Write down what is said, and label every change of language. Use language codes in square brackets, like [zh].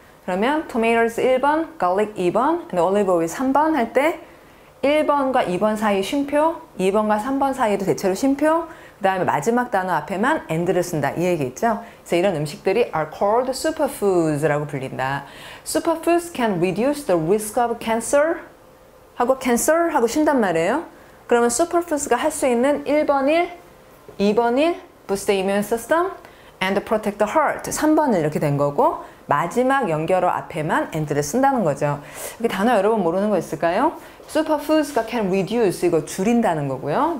[ko] 그러면 tomatoes 1번, garlic 2번, [en] and olive oil [ko] 3번 할 때 1번과 2번 사이 쉼표, 2번과 3번 사이에도 대체로 쉼표, 그 다음에 마지막 단어 앞에만 and를 쓴다. 이 얘기 있죠? 그래서 이런 음식들이 [en] are called superfoods [ko] 라고 불린다. [en] Superfoods can reduce the risk of cancer? [ko] 하고 cancer? 하고 쉰단 말이에요. 그러면 superfoods가 할 수 있는 1번 일, 2번 일, [en] boost the immune system, and protect the heart. [ko] 3번 일 이렇게 된 거고 마지막 연결어 앞에만 and를 쓴다는 거죠. 이 단어 여러분 모르는 거 있을까요? Superfoods가 [en] can reduce, [ko] 이거 줄인다는 거고요.